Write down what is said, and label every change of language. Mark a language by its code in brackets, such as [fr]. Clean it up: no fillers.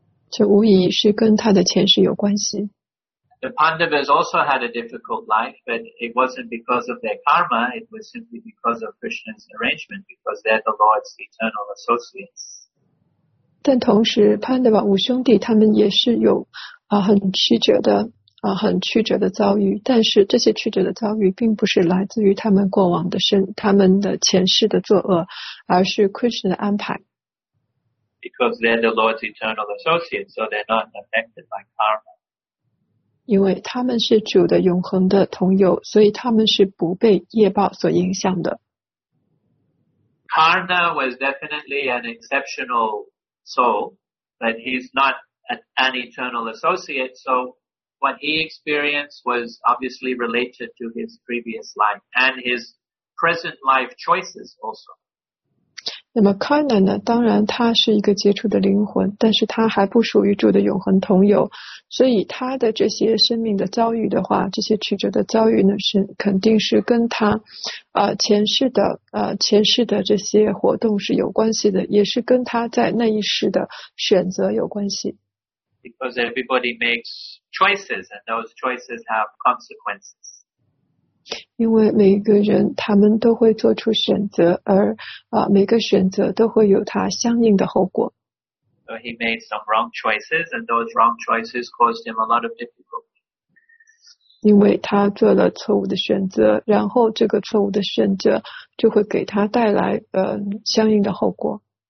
[zh] 这无疑是跟他的前世有关系。 [en] The Pandavas also had a difficult life, but it wasn't because of their karma, it was simply because of Krishna's arrangement, because they're the Lord's eternal associates. [zh] 但同时 Pandava 五兄弟他们也是有很曲折的遭遇，但是这些曲折的遭遇并不是来自于他们过往的生他们的前世的作恶，而是 Krishna 的安排。 [en] Because they're the Lord's eternal associates, so they're not affected by karma. [zh] 因为他们是主的永恒的同友，所以他们是不被业报所影响的。 [en] Karna was definitely an exceptional soul, but he's not an eternal associate, so what he experienced was obviously related to his previous life and his present life choices also. [zh] 那么 Karna 呢，当然他是一个杰出的灵魂，但是他还不属于主的永恒同友，所以他的这些生命的遭遇的话，这些曲折的遭遇呢，是肯定是跟他前世的这些活动是有关系的，也是跟他在那一世的选择有关系。 [en] Because everybody makes choices and those choices have consequences. [zh] 因为每个人他们都会做出选择，而每个选择都会有他相应的后果。 [en] So he made some wrong choices, and those wrong choices caused him a lot of difficulty. [zh] 因为他做了错误的选择，然后这个错误的选择就会给他带来相应的后果。